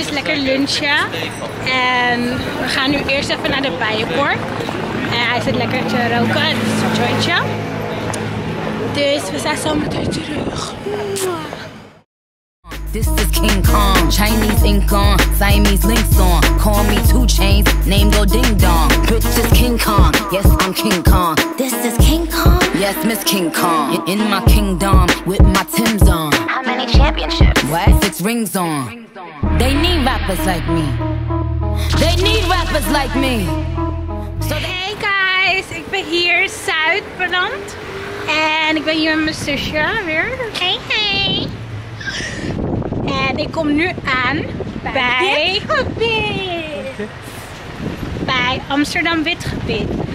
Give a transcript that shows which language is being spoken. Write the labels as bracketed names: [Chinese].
[Dutch] En we gaan nu eerst even naar de Bijenpoort. En hij zit lekker te roken. Het is een jointje. Dus we zijn zo meteen terug. [English] This is King Kong, Chinese ink on, Siamese links on, call me 2 Chainz, name go ding dong. Bitch is King Kong, yes I'm King Kong. This is King Kong, yes Miss King Kong. In my kingdom, with my Timbs on. How many championships? What? 6 rings on. They need rappers like me. They need rappers like me. So hey guys, [Dutch] ik ben hier Zuid beland. En ik ben hier met mijn zusje weer. [English] Hey. [Dutch] ik kom nu aan bij Witgebit. Bij Amsterdam Witgebit.